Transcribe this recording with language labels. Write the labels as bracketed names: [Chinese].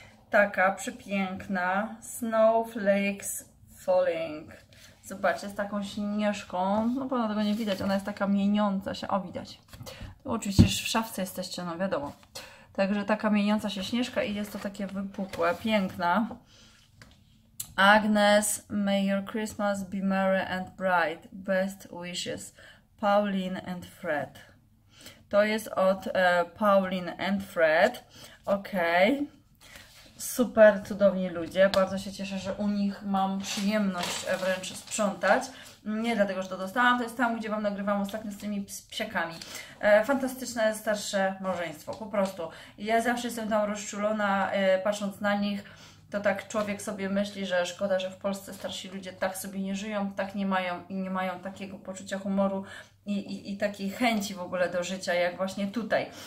[Polish] Taka przepiękna. Snowflakes Falling. Zobaczcie, z taką śnieżką. No, pana tego nie widać. Ona jest taka mieniąca się. O, widać. Oczywiście w szafce jesteście, no wiadomo. Także taka mieniąca się śnieżka i jest to takie wypukłe, piękna. [English] Agnes, may your Christmas be merry and bright. Best wishes, Pauline and Fred. [Polish] To jest od Pauline and Fred. Okej. Super, cudowni ludzie. Bardzo się cieszę, że u nich mam przyjemność wręcz sprzątać. Nie dlatego, że to dostałam, to jest tam, gdzie Wam nagrywam ostatnio z tymi psiakami. Fantastyczne starsze małżeństwo, po prostu. Ja zawsze jestem tam rozczulona, patrząc na nich, to tak człowiek sobie myśli, że szkoda, że w Polsce starsi ludzie tak sobie nie żyją, tak nie mają i nie mają takiego poczucia humoru i takiej chęci w ogóle do życia, jak właśnie tutaj.